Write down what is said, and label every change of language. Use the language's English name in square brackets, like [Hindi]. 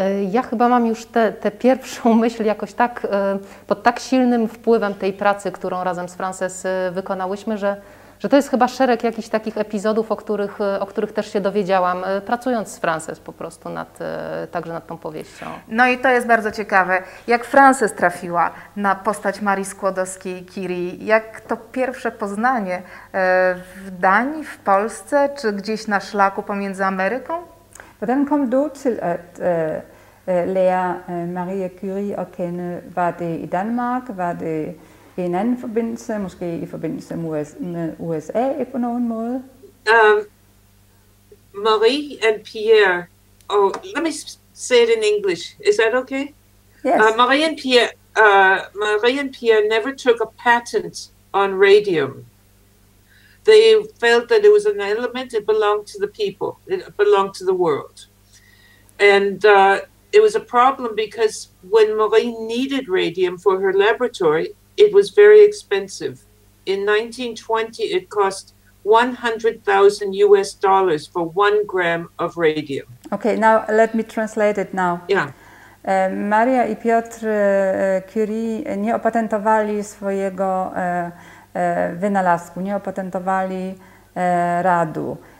[Polish] Ja chyba mam już tę pierwszą myśl jakoś tak pod tak silnym wpływem tej pracy, którą razem z Frances wykonałyśmy, że to jest chyba szereg jakichś takich epizodów, o których też się dowiedziałam, pracując z Frances po prostu także nad tą powieścią. No i to jest bardzo ciekawe, jak Frances trafiła na postać Marii Skłodowskiej-Curie, jak to pierwsze poznanie w Danii, w Polsce, czy gdzieś na szlaku pomiędzy Ameryką? [Danish] Potem kommt du til at lære Marie Curie at kende, var det i Danmark, var det i en anden forbindelse, måske i forbindelse med USA på nogen måde. [English] Marie and Pierre. Oh, let me say it in English. Is that okay? Yes. Marie and Pierre never took a patent on radium. They felt that it was an element. It belonged to the people. It belonged to the world. And it was a problem because when Marie needed radium for her laboratory, it was very expensive. In 1920, it cost $100,000 for 1 gram of radium. Okay, now let me translate it now. Yeah. [Polish] Maria i Piotr Curie nie opatentowali swojego wynalazku, nie opatentowali radu.